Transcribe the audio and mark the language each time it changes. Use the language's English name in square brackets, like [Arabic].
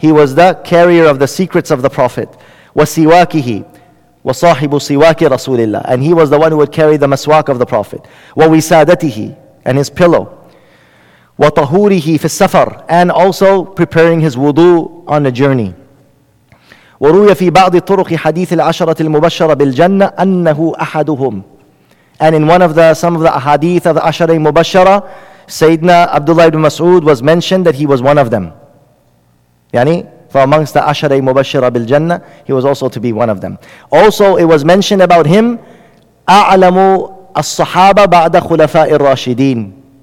[English] He was the carrier of the secrets of the Prophet. [Arabic] وسواكه وصاحب سواك رسول الله. [English] And he was the one who would carry the maswak of the Prophet. [Arabic] ووسادته [English] and his pillow. [Arabic] وطهوره في السفر. [English] And also preparing his wudu on a journey. [Arabic] وروي في بعض طرق حديث العشرة المبشرة بالجنة أنه أحدهم. [English] And in one of the, some of the ahadith of the عشرة المبشرة, سيدنا Abdullah ibn Mas'ud was mentioned that he was one of them. يعني, for amongst the عشرة المبشرة بالجنة, he was also to be one of them. Also, it was mentioned about him, [Arabic] أعلم الصحابة بعد خلفاء الراشدين.